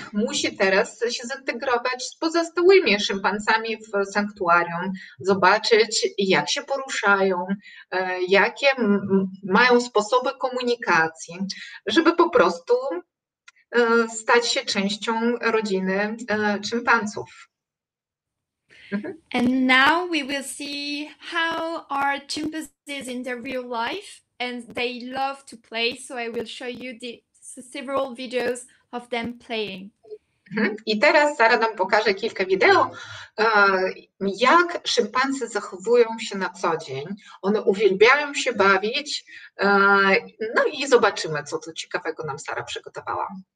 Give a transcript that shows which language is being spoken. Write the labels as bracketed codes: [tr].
[pl] Musi teraz się zintegrować z pozostałymi szympansami w sanktuarium, zobaczyć, jak się poruszają, jakie mają sposoby komunikacji, żeby po prostu stać się częścią rodziny szympansów. [en] And now we will see how are chimpanzees in their real life, and they love to play. So I will show you the several videos of them playing. [pl] I teraz Sara nam pokaże kilka wideo, jak szympansy zachowują się na co dzień. One uwielbiają się bawić. No i zobaczymy, co tu ciekawego nam Sara przygotowała.